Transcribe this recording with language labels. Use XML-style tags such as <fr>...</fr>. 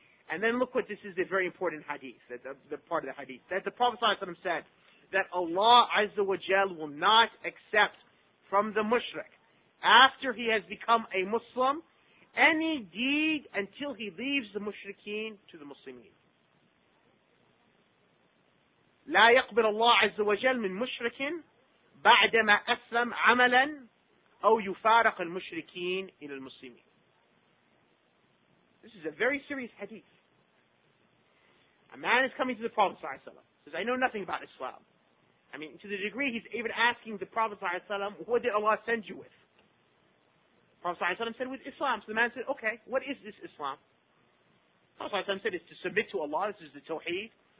<en>And then look what this is, a very important hadith, that the part of the hadith. That the Prophet ﷺ said that Allah Azza wa Jal will not accept from the mushrik, after he has become a Muslim, any deed until he leaves the mushrikeen to the Muslimin.</en> <ar>لا يقبل الله عز وجل من مشرك بعدما أسلم عملا أو يفارق المشركين إلى المسلمين.</ar> <en>This is a very serious hadith. A man is coming to the Prophet صلى الله عليه وسلم. Says, I know nothing about Islam. I mean, to the degree he's even asking the Prophet صلى الله عليه وسلم, what did Allah send you with? The Prophet صلى الله عليه وسلم said, with Islam. So the man said, okay, what is this Islam? The Prophet صلى الله عليه وسلم said, it's to submit to Allah. This is the Tawheed.</en>